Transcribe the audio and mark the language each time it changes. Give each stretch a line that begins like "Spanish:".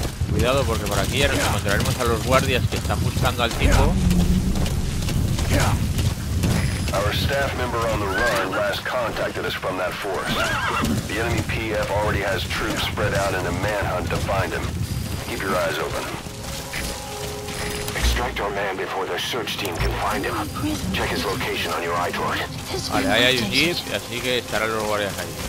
Spanish: Cuidado porque por aquí ya nos encontraremos a los guardias que están buscando al tipo.
English: Our staff member on the run last contacted us from that force. The enemy PF already has troops spread out in a manhunt to find him. Keep your eyes open. Extract our man before the search team can find him. Check his location on your iDroid.
Spanish: Vale, ahí hay un jeep, así que estarán los guardias ahí.